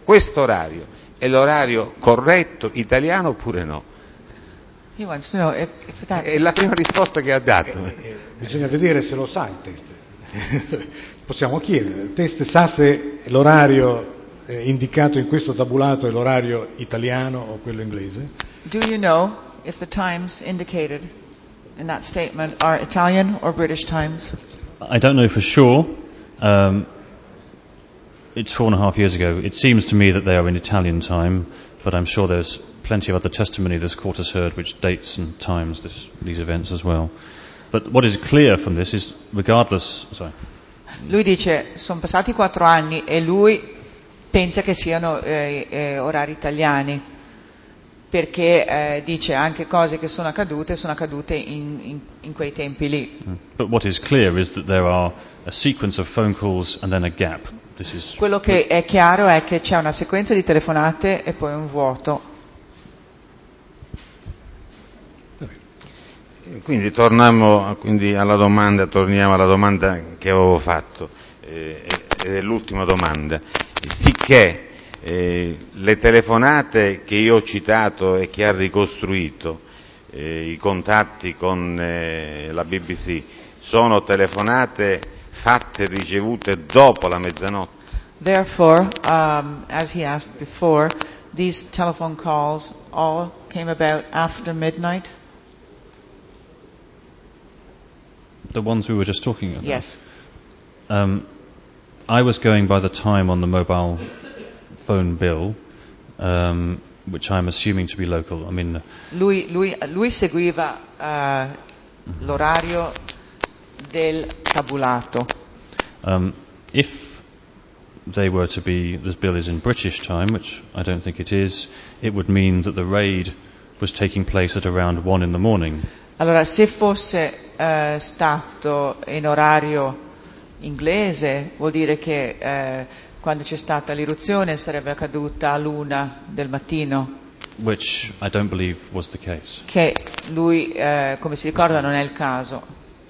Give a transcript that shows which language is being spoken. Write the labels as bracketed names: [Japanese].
[Italian] Questo orario è l'orario corretto italiano oppure no? [English] He wants to know if that's... [Italian] È la prima risposta che ha dato. Bisogna vedere se lo sa il test. Possiamo chiedere. Il test sa se l'orario indicato in questo tabulato è l'orario italiano o quello inglese? [English] Do you know if the times indicated in that statement are Italian or British times? I don't know for sure. It's 4.5 years ago. It seems to me that they are in Italian time, but I'm sure there's plenty of other testimony this court has heard which dates and times this, these events as well. But what is clear from this is, regardless... Sorry. [Italian] Lui dice, sono passati 4 anni e lui pensa che siano orari italiani, perché dice anche cose che sono accadute in quei tempi lì. [English] But what is clear is that there are a sequence of phone calls and then a gap. This is... [Italian] Quello che è chiaro è che c'è una sequenza di telefonate e poi un vuoto. Quindi torniamo alla domanda che avevo fatto, ed è l'ultima domanda. Sicché le telefonate che io ho citato e che ha ricostruito, i contatti con la BBC, sono telefonate fatte e ricevute dopo la mezzanotte? [English] Therefore, as he asked before, these telephone calls all came about after midnight? The ones we were just talking about? Yes. I was going by the time on the mobile phone bill, which I'm assuming to be local. I mean, [Italian] lui seguiva l'orario del tabulato. [English] If they were to be, this bill is in British time, which I don't think it is, it would mean that the raid was taking place at around 1 a.m. [Italian] Allora, se fosse stato in orario inglese, vuol dire che quando c'è stata l'irruzione sarebbe accaduta all'1 del mattino. [English] Which I don't believe was the case. [Italian] Che lui, come si ricorda, non è il caso.